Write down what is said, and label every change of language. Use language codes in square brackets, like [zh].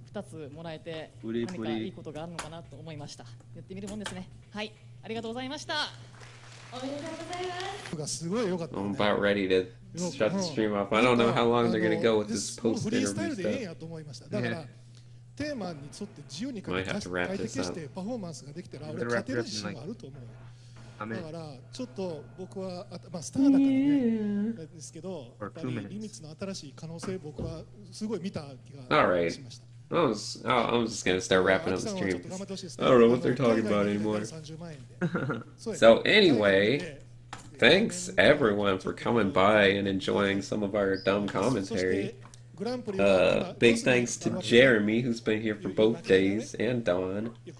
[ja] 2つもらえて何かいいことがあるのかなと思いました。やってみるもんですね。はい、ありがとうございました。おめでとうございます。すごい良かった。 [en] I'm about ready to shut the stream off. I don't know how long they're going to go with this post-interview stuff. [ja] フリースタイルでいいやと思いました。だからテーマに沿って自由に解析してパフォーマンスができたら俺勝てる自信もあると思う。だからちょっと僕は、まあ、スターだからねですけど、やっぱりリミッツの新しい可能性僕はすごい見た気がしました。 [en] I'm just going to start wrapping up the stream. I don't know what they're talking about anymore. So anyway, thanks everyone for coming by and enjoying some of our dumb commentary. Big thanks to Jeremy, who's been here for both days, and Don.